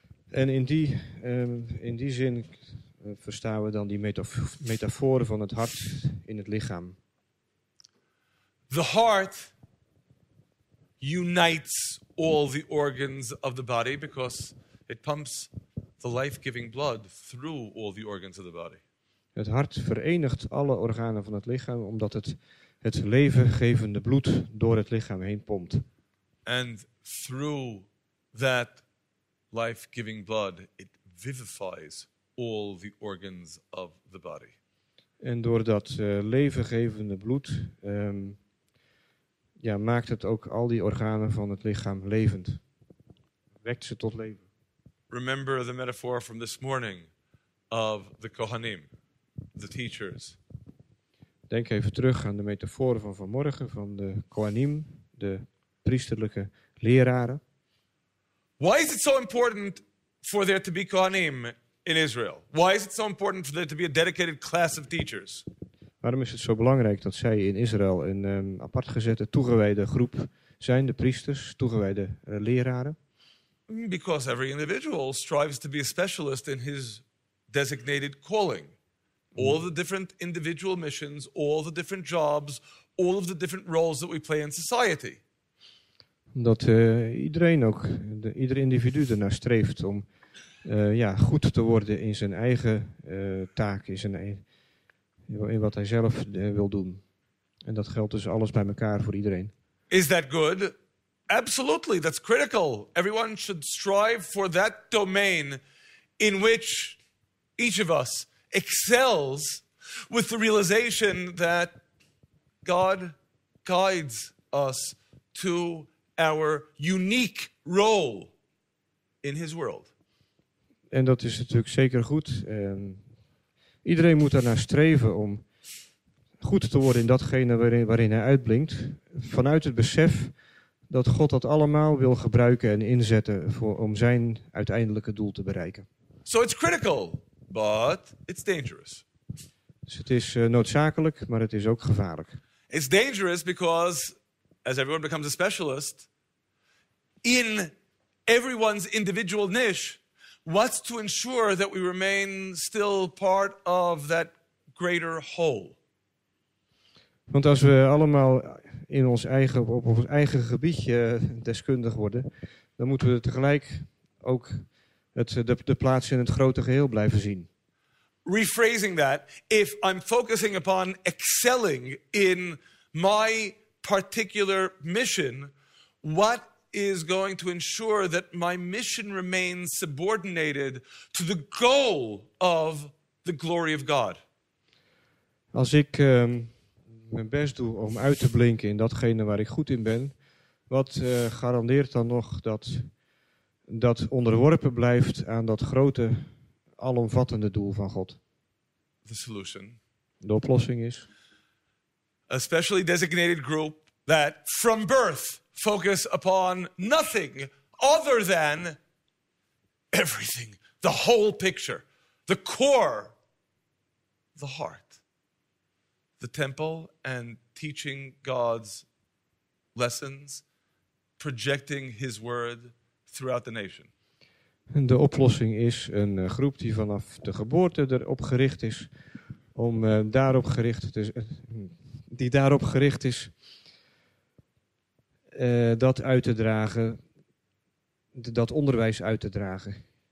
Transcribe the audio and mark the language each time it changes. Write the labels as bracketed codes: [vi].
[nl] En in die zin verstaan we dan die metaforen van het hart in het lichaam. [en] The heart unites all the organs of the body because it pumps the life-giving blood through all the organs of the body. [nl] Het hart verenigt alle organen van het lichaam omdat het het levengevende bloed door het lichaam heen pompt. [en] And through that life-giving blood, it vivifies all the organs of the body. [nl] En door dat levengevende bloed maakt het ook al die organen van het lichaam levend. Wekt ze tot leven. [en] Remember the metaphor from this morning of the Kohanim, the teachers. [nl] Denk even terug aan de metafoor van vanmorgen van de Kohanim, de priesterlijke leraren. [en] Why is it so important for there to be Kohanim in Israel? Why is it so important for there to be a dedicated class of teachers? [nl] Waarom is het zo belangrijk dat zij in Israël een apart gezette, toegewijde groep zijn, de priesters, toegewijde leraren? [en] Because every individual strives to be a specialist in his designated calling. All the different individual missions, all the different jobs, all of the different roles that we play in society. [nl] Omdat ieder individu ernaar streeft om goed te worden in zijn eigen taak, in wat hij zelf wil doen. En dat geldt dus alles bij elkaar voor iedereen. [en] Is that good? Absolutely, that's critical. Everyone should strive for that domain in which each of us excels with the realization that God guides us to our unique role in his world. [nl] En dat is natuurlijk zeker goed. En iedereen moet daarnaar streven om goed te worden in datgene waarin hij uitblinkt. Vanuit het besef dat God dat allemaal wil gebruiken en inzetten om zijn uiteindelijke doel te bereiken. [en] So it's critical, but it's dangerous. [nl] Dus het is noodzakelijk, maar het is ook gevaarlijk. [en] It's dangerous because as everyone becomes a specialist, in everyone's individual niche, what's to ensure that we remain still part of that greater whole? [nl] Want als we allemaal in ons eigen, op ons eigen gebiedje deskundig worden, dan moeten we tegelijk ook de plaats in het grote geheel blijven zien. [en] Rephrasing that, if I'm focusing upon excelling in my particular mission, what is going to ensure that my mission remains subordinated to the goal of the glory of God? [nl] Als ik mijn best doe om uit te blinken in datgene waar ik goed in ben, wat garandeert dan nog dat onderworpen blijft aan dat grote, alomvattende doel van God? [en] The solution. [nl] De oplossing is [en] a specially designated group that from birth focus upon nothing other than everything, the whole picture, the core, the heart, the temple, and teaching God's lessons, projecting his word throughout the nation. [nl] En de oplossing is een groep die vanaf de geboorte erop gericht is om daarop gericht te die daarop gericht is dat uit te dragen, dat onderwijs uit te dragen.